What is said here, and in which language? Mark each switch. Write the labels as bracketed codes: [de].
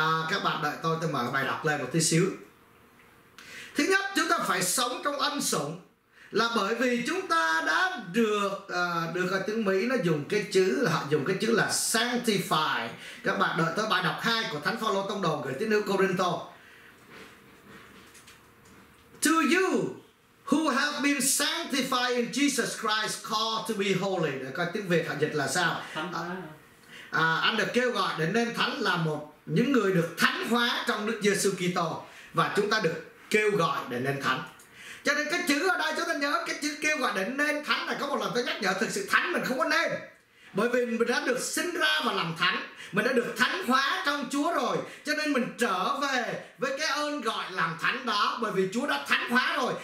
[vi] Các bạn đợi tôi mở bài đọc lên một tí xíu. Thứ nhất, chúng ta phải sống trong ân sủng, là bởi vì chúng ta đã được được ở tiếng Mỹ nó dùng cái chữ, họ dùng cái chữ là sanctify. Các bạn đợi tới bài đọc 2 của Thánh Phaolô tông đồ gửi tín hữu Corinto. [en] To you who have been sanctified in Jesus Christ, called to be holy. [vi] Để coi tiếng Việt họ dịch là sao. Anh được kêu gọi để nên thánh, là một những người được thánh hóa trong Đức Giêsu Kitô, và chúng ta được kêu gọi để nên thánh. Cho nên cái chữ ở đây chúng ta nhớ, cái chữ kêu gọi để nên thánh là có một lần tôi nhắc nhở, thực sự thánh mình không có nên, bởi vì mình đã được sinh ra và làm thánh, mình đã được thánh hóa trong Chúa rồi, cho nên mình trở về với cái ơn gọi làm thánh đó, bởi vì Chúa đã thánh hóa rồi.